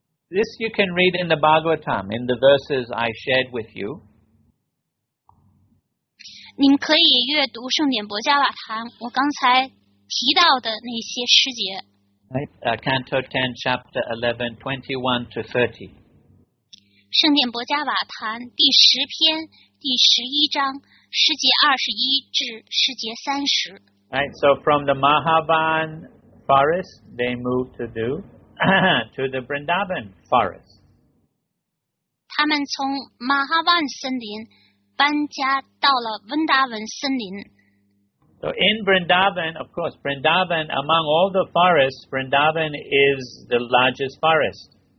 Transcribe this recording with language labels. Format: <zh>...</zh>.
<en>This you can read in the Bhagavatam, in the verses I shared with you.</en> <zh>您可以阅读圣典博迦瓦坛我刚才提到的那些诗节。</zh> <en>Canto 10, chapter 11, 21 to 30.</en> <zh>圣典博迦瓦坛第十篇第十一章诗节二十一至诗节三十。</zh> <en>Right, so from the Mahavan forest, they moved to do. to the Vrindavan forest.</en> <zh>他们从 Mahavan 森林搬家到了 Vrindavan 森林。</zh> <en>So in Vrindavan, of course, Vrindavan, among all the forests, Vrindavan is the largest forest.</en>